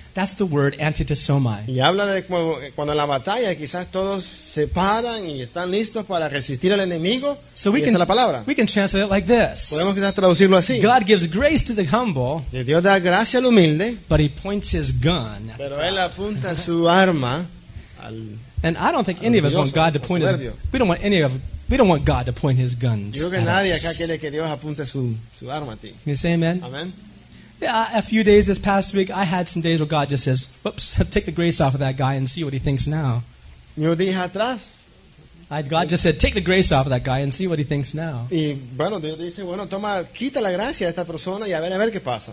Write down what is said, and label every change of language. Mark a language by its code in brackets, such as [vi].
[en] That's the word antitesomai. [es] Y habla de cuando la batalla quizás todos se paran y están listos para resistir al enemigo. [en] So we [es] y esa es la palabra. [en] We can translate it like this. [es] Podemos quizás traducirlo así. [en] God gives grace to the humble. [es] De Dios da gracia al humilde. [en] But he points his gun. [es] Pero él apunta su arma al. [en] And I don't think any of us want God to point [es] soberbio. [en] His. We don't want God to point his guns. [es] Yo creo que nadie acá quiere que Dios apunte su arma a ti. [en] Can you say amen? [es] Amen. [en] Yeah, a few days this past week, I had some days where God just says, "Oops, take the grace off of that guy and see what he thinks now." God just said, "Take the grace off of that guy and see what he thinks now." [es] Y bueno, Dios dice, bueno, toma, quita la gracia de esta persona y a ver qué pasa.